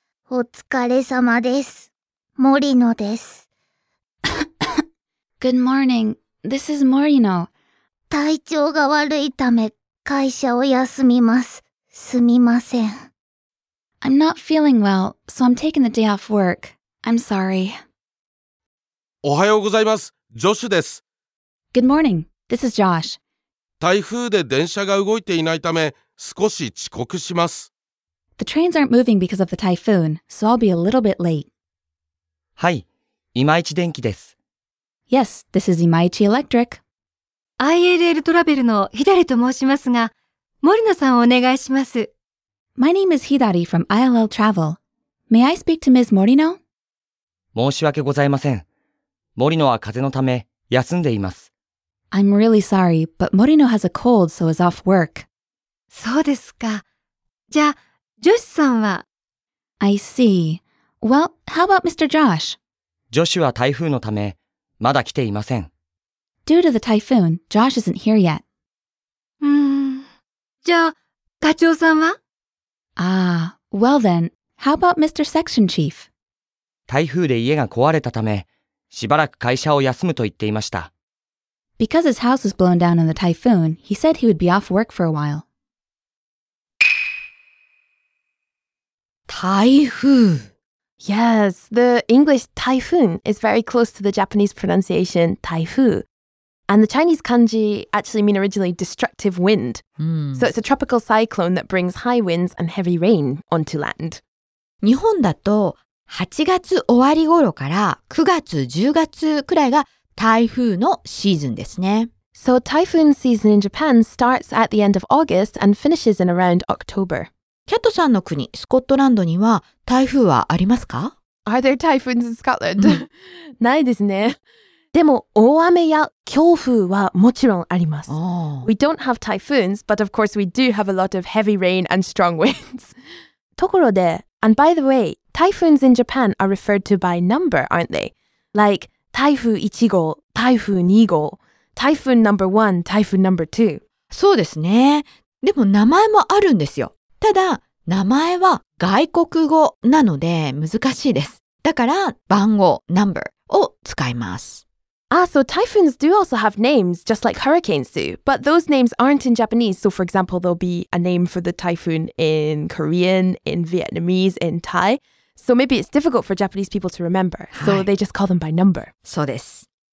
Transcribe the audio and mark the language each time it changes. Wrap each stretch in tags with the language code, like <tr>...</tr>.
<ja>お疲れ様です。森野です。</ja> <en>Good morning. This is Morino.</en> <ja>体調が悪いため会社を休みます。すみません。</ja> <en>I'm not feeling well, so I'm taking the day off work. I'm sorry.</en> <ja>おはようございます。ジョシュです。</ja> <en>Good morning. This is Josh.</en> <ja>台風で電車が動いていないため、少し遅刻します。</ja> <en>The trains aren't moving because of the typhoon, so I'll be a little bit late.</en> <ja>はい、今一電機です。</ja> <en>Yes, this is 今一 Electric.</en> <ja>ILL トラベルのひだりと申しますが、森野さんをお願いします。</ja> <en>My name is Hidari from ILL Travel. May I speak to Ms. Morino?</en> <ja>申し訳ございません。森野は風邪のため、休んでいます。</ja> <en>I'm really sorry, but Morino has a cold, so is off work.</en> <ja>そうですか。じゃあ、ジョシュさんは？</ja> <en>I see. Well, how about Mr. Josh?</en> <ja>Josh は台風のため、まだ来ていません。</ja> <en>Due to the typhoon, Josh isn't here yet.</en> <ja>じゃあ、課長さんは?</ja> <en>Ah, well then, how about Mr. Section Chief? 台風で家が壊れたため、しばらく会社を休むと言っていました。 Because his house was blown down in the typhoon, he said he would be off work for a while. 台風。 Yes, the English typhoon is very close to the Japanese pronunciation 台風. And the Chinese kanji actually mean originally destructive wind. Mm. So it's a tropical cyclone that brings high winds and heavy rain onto land.</en> <ja>日本だと8月終わり頃から9月、10月くらいが台風のシーズンですね。</ja> <en>So typhoon season in Japan starts at the end of August and finishes in around October.</en> <ja>キャットさんの国、スコットランドには台風はありますか?</ja> <en>Are there typhoons in Scotland?</en> <ja>ないですね。でも大雨や強風はもちろんあります。</ja> <en>Oh. We don't have typhoons, but of course we do have a lot of heavy rain and strong winds. ところで、and by the way, typhoons in Japan are referred to by number, aren't they? Like 台風1号、台風2号、台風 number 1、台風 number 2.</en> <ja>そうですね。でも名前もあるんですよ。ただ、名前は外国語なので難しいです。だから、番号、number を使います。</ja> <en>Ah, so typhoons do also have names, just like hurricanes do. But those names aren't in Japanese. So for example, there'll be a name for the typhoon in Korean, in Vietnamese, in Thai. So maybe it's difficult for Japanese people to remember. So they just call them by number.</en> <ja>そうです。</ja>